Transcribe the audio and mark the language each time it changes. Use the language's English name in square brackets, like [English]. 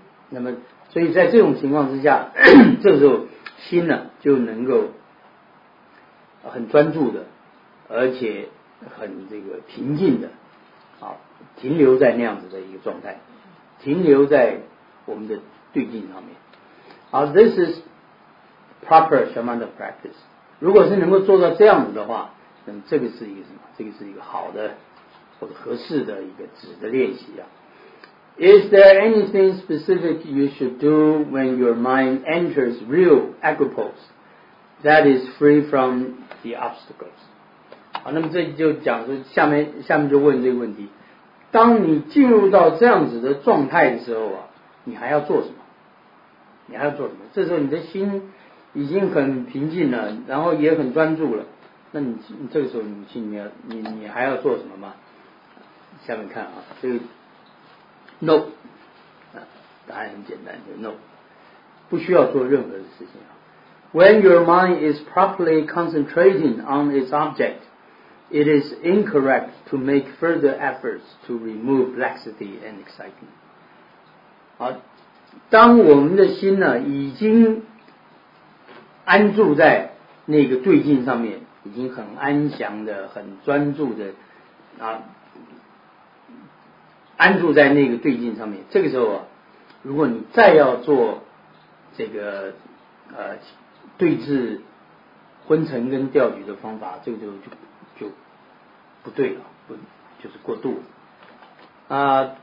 [Chinese] 那么所以在这种情况之下，这时候心呢就能够很专注的，而且很这个平静的啊，停留在那样子的一个状态，停留在我们的对境上面啊。 [English] This is proper shamatha practice。 [Chinese] 如果是能够做到这样子的话，那么这个是一个什么？这个是一个好的或者合适的一个止的练习啊。 [English] Is there anything specific you should do when your mind enters real equipoise that is free from the obstacles？ [Chinese] 好，那么这就讲说下面就问这个问题：当你进入到这样子的状态的时候啊，你还要做什么？你还要做什么？这时候你的心已经很平静了，然后也很专注了。那你这个时候你心里面你还要做什么吗？下面看啊，这个 No， 答案很简单，就 No， 不需要做任何的事情啊。 [English] When your mind is properly concentrating on its object, it is incorrect to make further efforts to remove laxity and excitement。 [Chinese] 好，当我们的心呢已经安住在那个对境上面，已经很安详的很专注的啊，安住在那个对境上面，这个时候啊，如果你再要做这个对治昏沉跟吊举的方法，这个时候就不对了，不就是过度了啊。